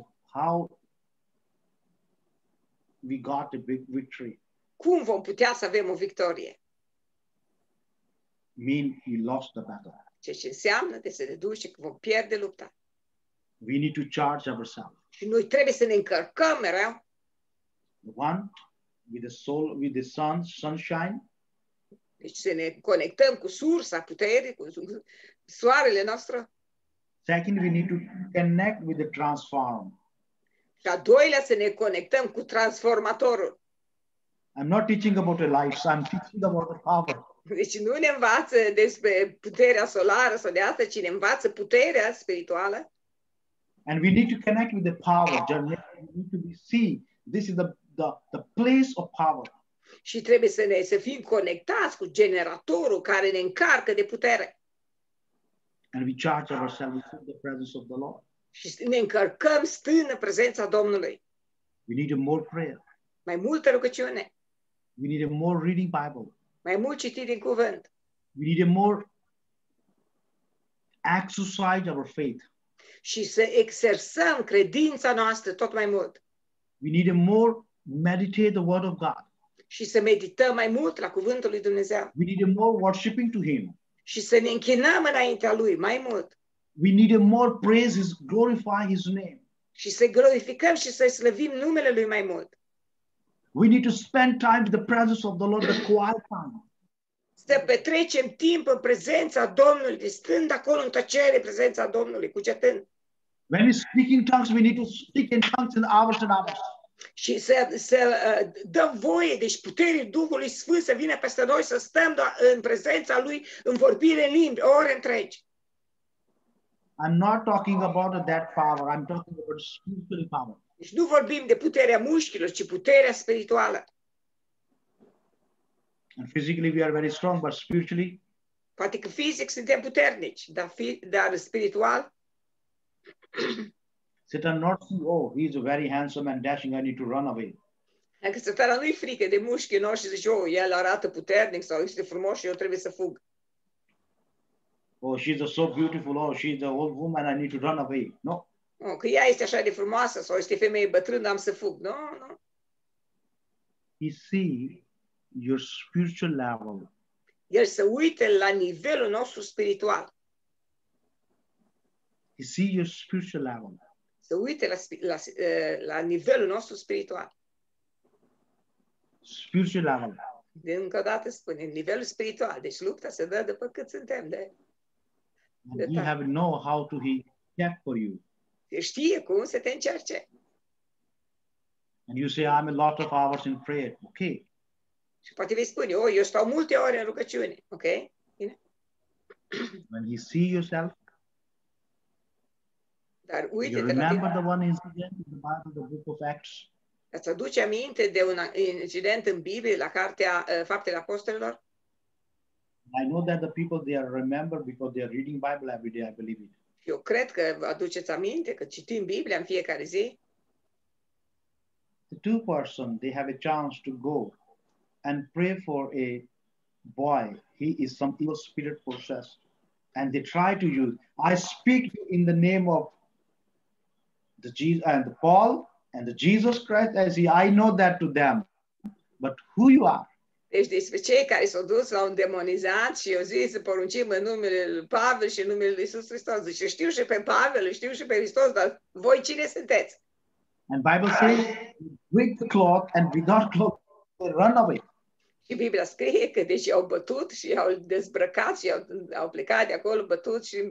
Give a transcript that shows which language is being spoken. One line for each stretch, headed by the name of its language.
English: How we got a big victory?
Romanian: Cum vom putea să avem o victorie?
English: Mean he lost the battle.
Romanian: Ce înseamnă de se deduce că vom pierde lupta.
English: We need to charge ourselves.
Romanian: Și noi trebuie să ne încărcăm mereu.
English: One with the soul, with the sun, sunshine.
Romanian: Deci să ne conectăm cu sursa puterii, cu soarele nostru.
English: Second, we need to connect with the transform.
Romanian: Și a doilea, să ne conectăm cu transformatorul.
English: I'm not teaching about the lights, I'm teaching about the power.
Romanian: Deci nu ne învață despre puterea solară sau de asta, ci ne învață puterea spirituală.
English: And we need to connect with the power. We need to see this is the place of power.
Romanian: Și trebuie să fim conectați cu generatorul care ne încarcă de putere.
English: And we charge ourselves in the presence of the Lord.
Romanian: Și ne încărcăm stând în prezența Domnului.
English: We need a more prayer.
Romanian: Mai multă rugăciune.
English: We need a more reading Bible.
Romanian: Mai mult citit din cuvânt.
English: We need a more exercise of our faith.
Romanian: Și să exersăm credința noastră tot mai mult.
English: We need a more meditate the word of God.
Romanian: Și să medităm mai mult la cuvântul lui Dumnezeu.
English: We need a more worshiping to him.
Romanian: Și să ne închinăm înaintea lui mai mult.
English: We need a more praise his, glorify his name.
Romanian: Și să glorificăm și să slăvim numele lui mai mult.
English: We need to spend time in the presence of the Lord, the quiet time.
Romanian: Să petrecem timp în prezența Domnului, stând acolo în tăcere, prezența Domnului, cugetând.
English: When we speak in tongues, we need to speak in tongues in hours and hours.
Romanian: Și să dăm voie, deci puterii Duhului Sfânt să vină peste noi, să stăm în prezența Lui, în vorbire în limbi, ore întregi.
English: I'm not talking about that power, I'm talking about spiritual power.
Romanian: Deci nu vorbim de puterea mușchilor, ci puterea spirituală.
English: And physically we are very strong, but spiritually.
Romanian: Poate că fizic suntem puternici, dar spiritual.
English: Satan not see, oh, he is very handsome and dashing, I need to run away.
Romanian: Dacă Satan nu-i frică de mușchii noștri, zice, oh, el arată puternic sau este frumos și eu trebuie să fug.
English: Oh, she is so beautiful, oh, she is an old woman, I need to run away. No.
Romanian: Oh, că ea este așa de frumoasă sau este femeie bătrână, am să fug.
English: No, no. He see your spiritual level.
Romanian: El se uite la nivelul nostru spiritual.
English: He see your spiritual level.
Romanian: Se uite la nivelul nostru spiritual.
English: Spiritual level.
Romanian: De încă o dată spune, nivelul spiritual. Deci lupta se dă după cât suntem.
English: You have to know how to he check for you.
Romanian: El știe cum să te încerce.
English: And you say, I'm a lot of hours in prayer. Okay.
Romanian: Și poate vei spune, oh, eu stau multe ore în rugăciune. Ok? Bine?
English: When you see yourself,
Romanian: dar uite,
English: you remember the one incident in the Bible, the book of Acts?
Romanian: Ați aduce aminte de un incident în Biblie, la cartea Faptele Apostolilor?
English: I know that the people, they are remember because they are reading Bible every day, I believe it.
Romanian: Eu cred că vă aduceți aminte că citim Biblia în fiecare zi.
English: The two persons, they have a chance to go and pray for a boy. He is some evil spirit possessed. And they try to use, I speak in the name of the Jesus and the Paul and the Jesus Christ. I see, I know that to them. But who you are?
Romanian: Deci despre cei care s-au dus la un demonizat și au zis să poruncim în numele lui Pavel și în numele lui Iisus Hristos. Deci știu și pe Pavel, știu și pe Hristos, dar voi cine sunteți?
English: And Bible says, break the cloth and without cloth, they run away.
Romanian: Și Biblia scrie că deci au bătut și au dezbrăcat și au plecat de acolo, bătut și